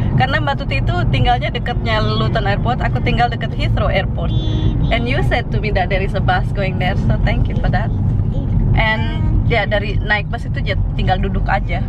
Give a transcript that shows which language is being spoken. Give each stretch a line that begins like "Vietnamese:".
Indonesian: Karena Mbak Tuti itu tinggalnya dekatnya Luton Airport, aku tinggal dekat Heathrow Airport.
English: And you said to me that there is a bus going there, so thank you for that.
Indonesian: And yeah, dari naik bus itu ya tinggal duduk aja.